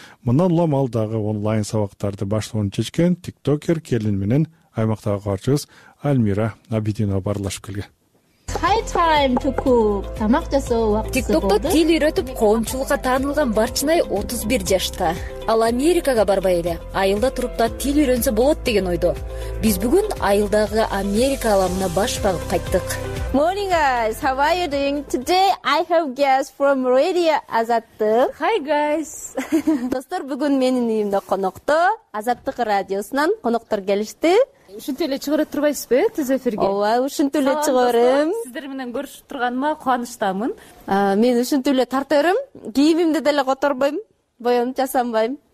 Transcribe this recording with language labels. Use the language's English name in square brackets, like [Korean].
[Kyrgyz] Мындан улам ал дагы онлайн сабактарды баштоону чечкен тиктокер келин менен аймактагы кабарчыбыз Альмира Абидинова баарлашып келген. Тамак жасоо убактысы болду. TikTokто тил үйрөтүп коомчулукка таанылган Барчынай 31 жашта. Ал Америкага барбай эле айылда туруп да тил үйрөнсө болот деген ойдо. Биз бүгүн айылдагы Америка ааламына баш багып кайттык. [English] Morning guys, how are you doing? Today I have guests from Radio Azattık. Hi guys. [Kyrgyz] Достор, бүгүн менин үйүмдө конокто, Азаттык радиосунан коноктор келишти. Ушинтип эле чыгарып турбайсызбы түз эфирге? Ооба, ушинтип эле чыгарым. Сиздер менен көрүшүп турганыма кубанычтамын. Мен ушинтип эле тарта берем, кийимимди деле которбойм, боем жасанбайм.